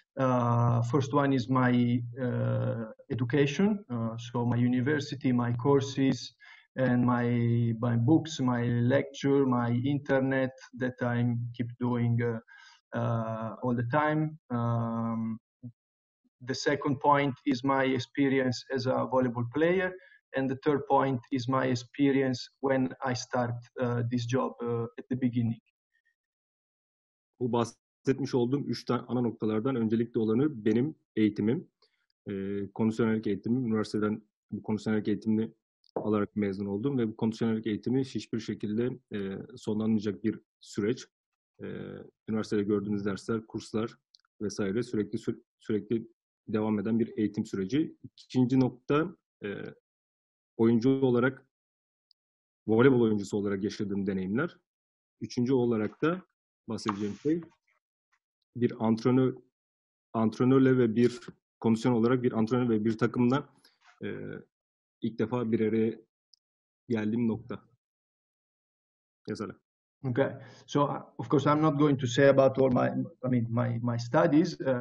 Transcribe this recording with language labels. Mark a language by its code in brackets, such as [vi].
[en] First one is my education, so my university, my courses, and my books, my lecture, my internet that I keep doing all the time. The second point is my experience as a volleyball player, and the third point is my experience when I start this job at the beginning. [tr] Bu bahsetmiş olduğum 3 tane ana noktalardan öncelikli olanı benim eğitimim, kondisyonellik eğitimim. Üniversiteden bu kondisyonellik eğitimini alarak mezun oldum ve bu kondisyonellik eğitimi hiçbir şekilde sonlanmayacak bir süreç. üniversitede gördüğünüz dersler, kurslar vesaire sürekli devam eden bir eğitim süreci. İkinci nokta, oyuncu olarak, voleybol oyuncusu olarak yaşadığım deneyimler. Üçüncü olarak da bahsedeceğim şey, bir antrenörle ve bir kondisyon olarak bir antrenör ve bir takımla ilk defa bir araya geldiğim nokta. Mesela. [en] Okay, so of course I'm not going to say about all my, I mean, my studies.